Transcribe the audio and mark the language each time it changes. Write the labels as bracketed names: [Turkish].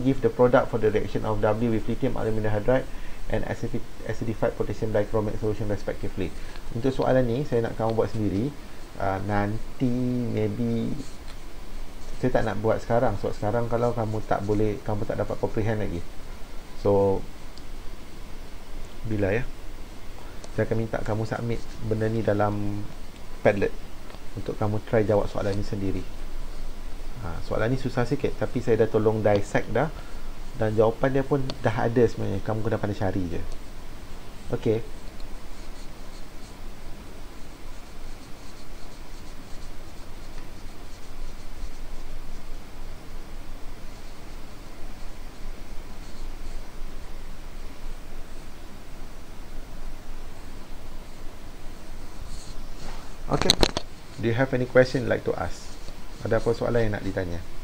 [English] Give the product for the reaction of W with lithium aluminium hydride and acidified potassium dichromate solution respectively. [Malay] Untuk soalan ni saya nak kamu buat sendiri. Nanti maybe saya tak nak buat sekarang, sebab sekarang kalau kamu tak boleh, kamu tak dapat comprehend lagi. So bila ya. saya akan minta kamu submit benda ni dalam Padlet untuk kamu try jawab soalan ni sendiri. Ha, soalan ni susah sikit tapi saya dah tolong dissect dah, dan jawapan dia pun dah ada sebenarnya, kamu kena pandai cari je. Okay. [English] Okay, do you have any question like to ask? [Malay] Ada apa soalan yang nak ditanya?